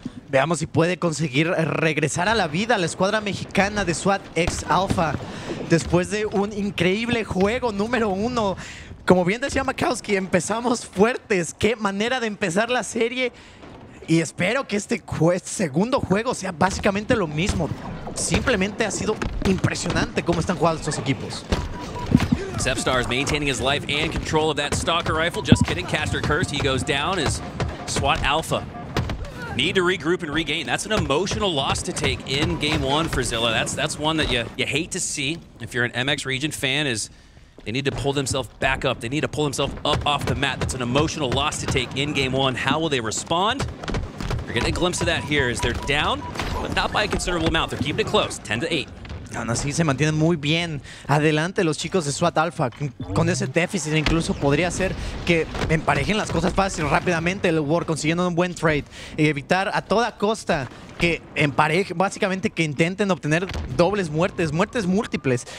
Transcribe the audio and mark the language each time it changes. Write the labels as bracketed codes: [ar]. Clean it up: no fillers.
[es] Veamos si puede conseguir regresar a la vida a la escuadra mexicana de SWAT X Alpha después de un increíble juego número uno. Como bien decía Makowski, empezamos fuertes. Qué manera de empezar la serie. Y espero que este segundo juego sea básicamente lo mismo. Simplemente ha sido impresionante cómo están jugando estos equipos. [en] Sepstars maintaining his life and control of that Stalker Rifle. Just kidding, Caster Cursed. He goes down as SWAT Alpha. Need to regroup and regain. That's an emotional loss to take in game one for Zilla. That's one that you hate to see if you're an MX region fan, is they need to pull themselves back up. They need to pull themselves up off the mat. That's an emotional loss to take in game one. How will they respond? We're getting a glimpse of that here as they're down, but not by a considerable amount. They're keeping it close, 10-8. [es] Aún así se mantienen muy bien adelante los chicos de SWAT Alpha. Con ese déficit incluso podría ser que emparejen las cosas fácil rápidamente el Leuor consiguiendo un buen trade y evitar a toda costa que emparejen, básicamente que intenten obtener dobles muertes, muertes múltiples.